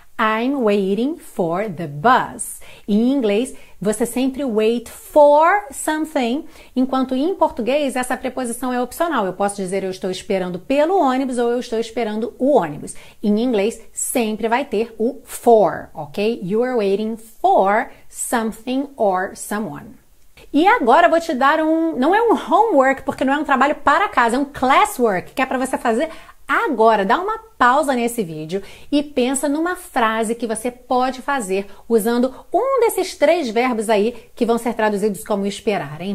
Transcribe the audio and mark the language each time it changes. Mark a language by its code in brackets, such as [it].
[en] I'm waiting for the bus. [pt] Em inglês, você sempre [en] wait for something, [pt] enquanto em português essa preposição é opcional. Eu posso dizer eu estou esperando pelo ônibus ou eu estou esperando o ônibus. Em inglês, sempre vai ter o for, ok? [en] You are waiting for something or someone. [pt] E agora eu vou te dar não é um homework, porque não é um trabalho para casa, é um classwork, que é para você fazer agora. Dá uma pausa nesse vídeo e pensa numa frase que você pode fazer usando um desses três verbos aí que vão ser traduzidos como esperar, hein?